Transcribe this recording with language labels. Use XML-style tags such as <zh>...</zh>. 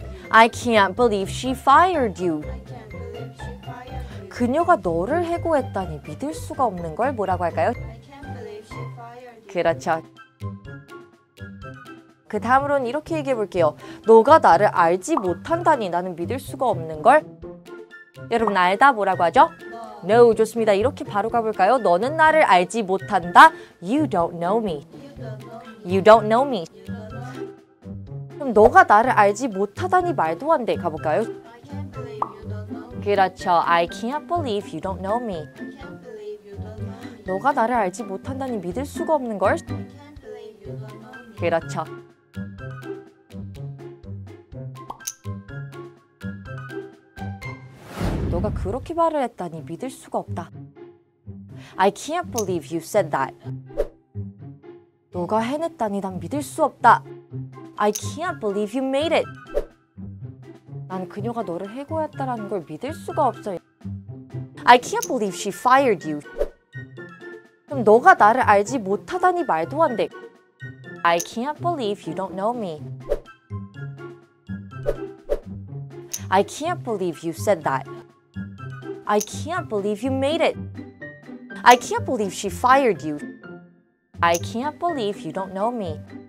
<en>I can't believe she fired you.</en> <ko>그녀가 너를 해고했다니 믿을 수가 없는 걸 뭐라고 할까요?</ko> <en>I can't believe she fired you.</en> <ko>그렇죠. 그 다음으로는 이렇게 얘기해 볼게요. 너가 나를 알지 못한다니 나는 믿을 수가 없는 걸. 여러분 알다 뭐라고 하죠? No, 좋습니다. 이렇게 바로 가볼까요? 너는 나를 알지 못한다.</ko> <en>You don't know me. You don't know me.</en> <ko>그럼 너가 나를 알지 못하다니 말도 안 돼. 가볼까요? 그렇죠.</ko> <en>I can't believe you don't know me.</en> <ko>너가 나를 알지 못한다니 믿을 수가 없는 걸. 그렇죠. 너가 그렇게 말을 했다니 믿을 수가 없다.</ko> <en>I can't believe you said that.</en> <ko>너가 해냈다니 난 믿을 수 없다.</ko> <en>I can't believe you made it.</en> <ko>난 그녀가 너를 해고했다라는 걸 믿을 수가 없어.</ko> <en>I can't believe she fired you.</en> <ko>그럼 너가 나를 알지 못하다니 말도 안 돼.</ko> <en>I can't believe you don't know me. I can't believe you said that. I can't believe you made it. I can't believe she fired you. I can't believe you don't know me.</en>